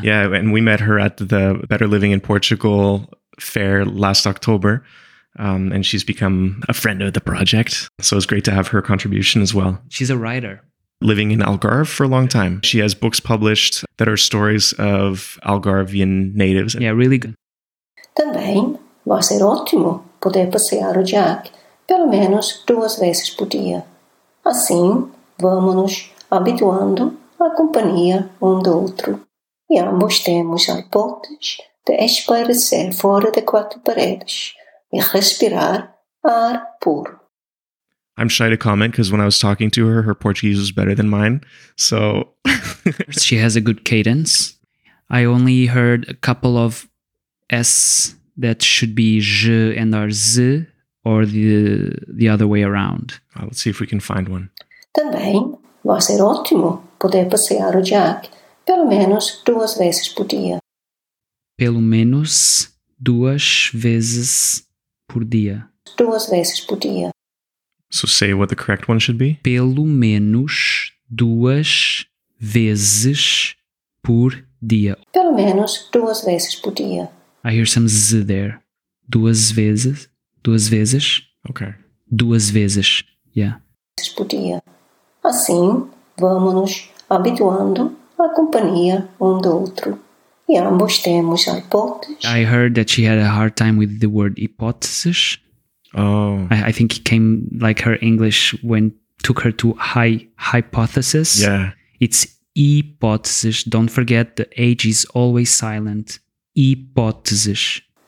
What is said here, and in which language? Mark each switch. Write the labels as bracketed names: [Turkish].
[English] Yeah, and we met her at the Better Living in Portugal fair last October. And she's become a friend of the project. So it's great to have her contribution as well. She's a writer. Living in Algarve for a long time. She has books published that are stories of Algarvian natives. Yeah, really good. [Portuguese] Também vai ser ótimo poder passear o Jack pelo menos 2 vezes por dia. Assim, vamos-nos habituando à companhia um do outro. E ambos temos a hipótese de esclarecer fora de 4 paredes e respirar ar puro. [English] I'm shy to comment because when I was talking to her, her Portuguese was better than mine. So she has a good cadence. I only heard a couple of S that should be J and are Z or the other way around. Let's see if we can find one. [Portuguese] Também vai ser ótimo poder passear o Jack pelo menos 2 vezes por dia. Pelo menos 2 vezes por dia. 2 vezes por dia. [English] So say what the correct one should be. [Portuguese] Pelo menos 2 vezes por dia. Pelo menos 2 vezes por dia. [English] I hear some z there. [Portuguese] 2 vezes. 2 vezes. [English] Okay. [Portuguese] 2 vezes. Yeah. Por dia. Assim, vamos-nos habituando à companhia um do outro. E ambos temos a hipótese. [English] I heard that she had a hard time with the word hipóteses. Oh, I think it came like her English when took her to high hypothesis. Yeah, it's hipótese. Don't forget the H is always silent. Hipótese.